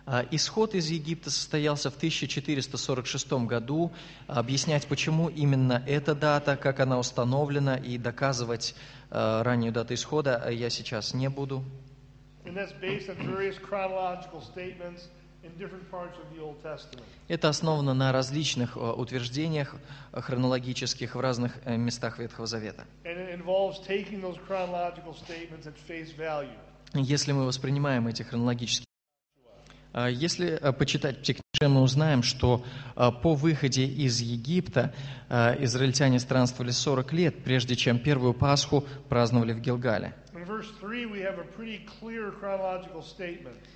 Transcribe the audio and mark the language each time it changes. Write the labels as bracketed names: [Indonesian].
[Russian] Исход из Египта состоялся в 1446 году. Объяснять, почему именно эта дата, как она установлена, и доказывать раннюю дату исхода я сейчас не буду. [English] And that's based on various chronological statements in different parts of the Old Testament. [Russian] Это основано на различных утверждениях хронологических в разных местах Ветхого Завета. [English] And it involves taking those chronological statements at face value. [Russian] Если мы воспринимаем эти хронологические, если почитать Пятикнижие, мы узнаем, что по выходе из Египта израильтяне странствовали 40 лет, прежде чем первую Пасху праздновали в Гилгале. [English] Verse 3, we have a pretty clear chronological statement.